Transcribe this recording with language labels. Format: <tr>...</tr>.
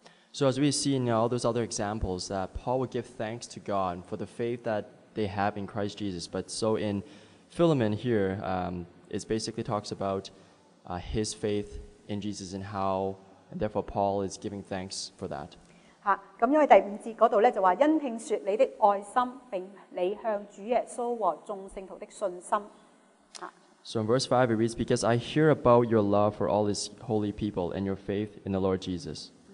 <en>So as we see in all those other examples, that Paul would give thanks to God for the faith that they have in Christ Jesus. But so in Philemon here, it basically talks about his faith in Jesus and how, and therefore Paul is giving thanks for that.</en> <yue>咁因为第五节嗰度咧就话因听说你的爱心，并你向主耶稣和众圣徒的信心。</yue> <en>So in verse 5 it reads, because I hear about your love for all his holy people and your faith in the Lord Jesus.</en>